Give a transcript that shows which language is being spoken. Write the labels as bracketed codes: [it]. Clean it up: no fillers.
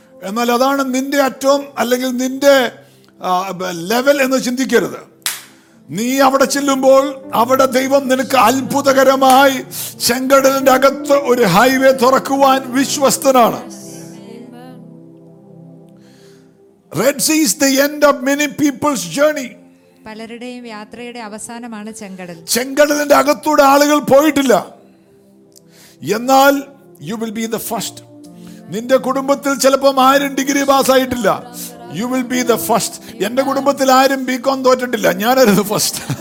[ml] എന്നാൽ അതാണ് നിന്റെ അറ്റം അല്ലെങ്കിൽ നിന്റെ ലെവൽ എന്ന് ചിന്തിക്കരുത്. നീ അവിടെ ചെല്ലുമ്പോൾ അവിടെ ദൈവം നിനക്ക് അത്ഭുതകരമായി ചെങ്കടലിന്റെ അകത്ത് ഒരു ഹൈവേ തുറക്കുവാൻ വിശ്വസ്തനാണ്. [en] Red Sea is the end of many people's journey. [ml] പലരുടെയും യാത്രയുടെ അവസാനമാണ് ചെങ്കടൽ. ചെങ്കടലിന്റെ അകത്തൂടെ ആളുകൾ പോയിട്ടില്ല. എന്നാൽ [en] You will be the first. [ml] നിന്റെ കുടുംബത്തിൽ ചിലപ്പോൾ ആരും degree പാസ്സായിട്ടില്ല. [en] You will be the first. [ml] എന്റെ കുടുംബത്തിൽ ആരും ബി കോം തോറ്റിട്ടില്ല. ഞാനൊരു ദ ഫസ്റ്റ്.